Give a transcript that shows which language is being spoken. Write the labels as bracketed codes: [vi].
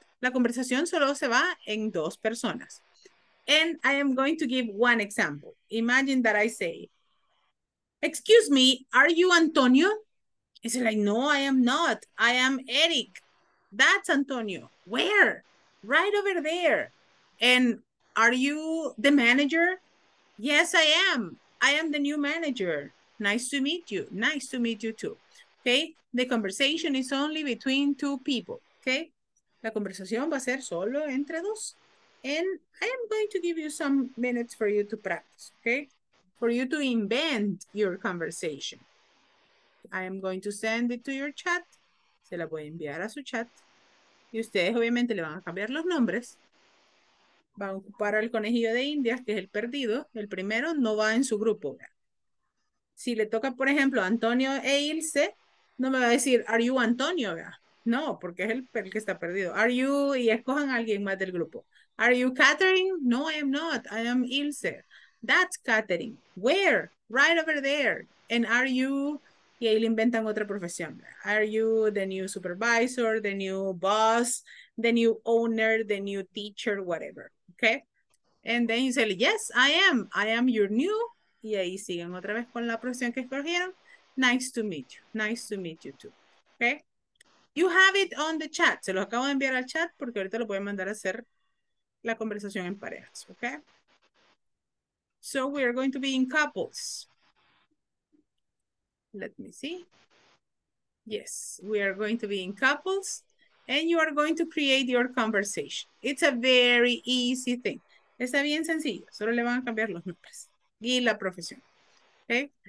[es] La conversación solo se va en dos personas. [en] And I am going to give one example. Imagine that I say, excuse me, are you Antonio? It's like, no, I am not. I am Eric. That's Antonio. Where? Right over there. And are you the manager? Yes, I am. I am the new manager. Nice to meet you. Nice to meet you too. Okay? The conversation is only between two people. Okay? [es] La conversación va a ser solo entre dos. [en] And I am going to give you some minutes for you to practice, okay? For you to invent your conversation. I am going to send it to your chat. [es] Se la voy a enviar a su chat. Y ustedes obviamente le van a cambiar los nombres. Van a ocupar al conejillo de Indias, que es el perdido. El primero no va en su grupo. Si le toca, por ejemplo, a Antonio e Ilse, no me va a decir, [en] are you Antonio? [es] No, porque es el que está perdido. [en] Are you, [es] y escojan a alguien más del grupo. [en] Are you Catherine? No, I am not. I am Ilse. That's Catherine. Where? Right over there. And are you? [es] Y ahí le inventan otra profesión. [en] Are you the new supervisor, the new boss, the new owner, the new teacher, whatever. Okay? And then you say, yes, I am. I am your new. [es] Y ahí siguen otra vez con la profesión que escogieron. [en] Nice to meet you. Nice to meet you too. Okay? You have it on the chat. [es] Se lo acabo de enviar al chat porque ahorita lo voy a mandar a hacer la conversación en parejas, okay? [en] So we are going to be in couples. Let me see. Yes, we are going to be in couples and you are going to create your conversation. It's a very easy thing. [es] Está bien sencillo, solo le van a cambiar los nombres y la profesión, okay?